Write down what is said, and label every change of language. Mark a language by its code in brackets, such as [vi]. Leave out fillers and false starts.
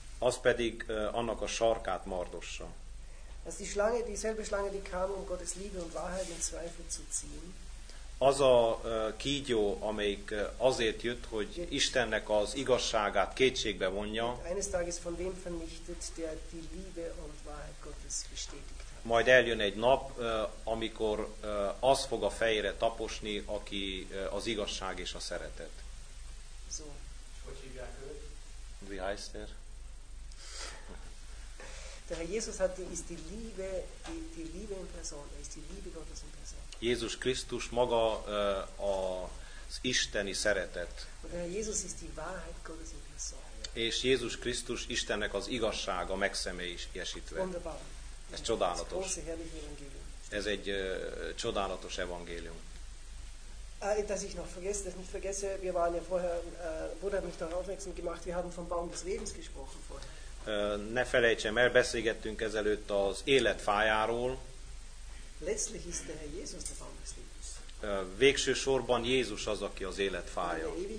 [hu] Az pedig annak a sarkát mardossa. [de] Das ist die Schlange, dieselbe Schlange, die kam, um Gottes Liebe und Wahrheit in Zweifel zu ziehen. [hu] Az a kígyó, amelyik azért jött, hogy Istennek az igazságát kétségbe vonja. [de] Eines Tages von dem vernichtet, der die Liebe und Wahrheit Gottes bestätigt. [hu] Majd eljön egy nap, amikor az fog a fejére taposni, aki az igazság és a szeretet. [de] So. [hu] És hogy hívják őt? [de] Wie heißt er? Der Herr Jesus hat ist die Liebe, die Liebe in Person, ist die Liebe Gottes in Person. [hu] Jézus Krisztus maga az isteni szeretet. [de] Der Herr Jesus ist die Wahrheit Gottes in Person. [hu] És Jézus Krisztus Istennek az igazsága megszemélyesítve. [de] Wunderbar. [hu] Ez csodálatos. Ez egy csodálatos evangélium. [de] Dass ich noch vergesse, dass ich nicht vergesse, wir waren ja vorher, Buddha hat mich darauf aufmerksam gemacht, wir haben vom Baum des Lebens gesprochen vorher. [hu] Ne felejtsem el, beszélgettünk ezelőtt az életfájáról. [de] Letztlich ist der Herr Jesus der Baum des Lebens. [hu] végső sorban Jézus az, aki az élet fája.